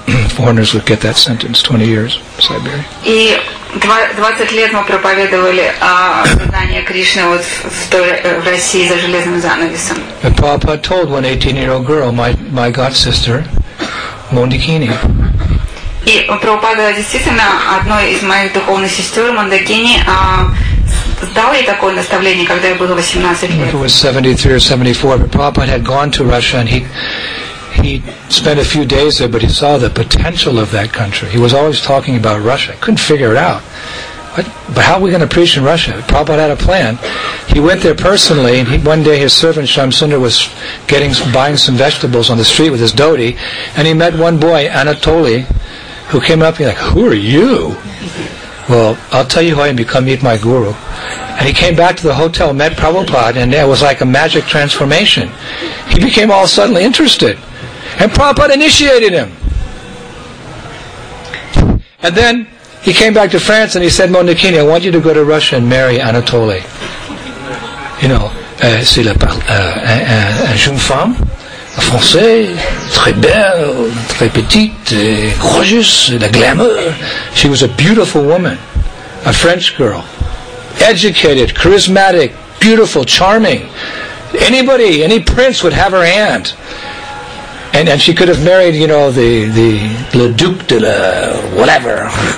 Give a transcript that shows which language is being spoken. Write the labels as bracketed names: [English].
[English] Foreigners would get that sentence 20 years in Siberia. [Russian] И 20 лет мы проповедовали знание Кришны вот в России за железным занавесом. [English] And Prabhupada told one 18-year-old girl, my god sister, Mondakini. [Russian] И Прабхупада действительно одной из моих духовных сестер Мандакини. Сдал ей такое наставление, когда ей было 18 лет. [English] It was 73 or 74, but Prabhupada had gone to Russia and he spent a few days there, but he saw the potential of that country. He was always talking about Russia. I couldn't figure it out. But how are we going to preach in Russia? Prabhupada had a plan. He went there personally, and one day his servant Shyamsundar was buying some vegetables on the street with his dhoti, and he met one boy, Anatoly, who came up and he's like, who are you? Well, I'll tell you who I am. You come meet my guru. And he came back to the hotel, met Prabhupada, and it was like a magic transformation. He became all suddenly interested. And Prabhupada initiated him. And then he came back to France and he said, Mondakini, I want you to go to Russia and marry Anatoly. You know, [French] c'est la jeune femme, la française, très belle, très petite, gorgeous, la glamour. [English] She was a beautiful woman, a French girl. Educated, charismatic, beautiful, charming. Anybody, any prince would have her hand. And she could have married, you know, the Le Duc de la whatever.